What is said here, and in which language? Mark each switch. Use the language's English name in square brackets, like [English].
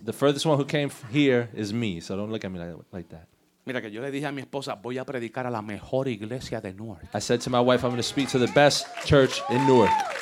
[English] The furthest one who came here is me, so don't look at me like that. [Spanish] Mira que yo le dije a mi esposa, voy a predicar a la mejor iglesia de Newark. [English] I said to my wife, I'm going to speak to the best church in Newark.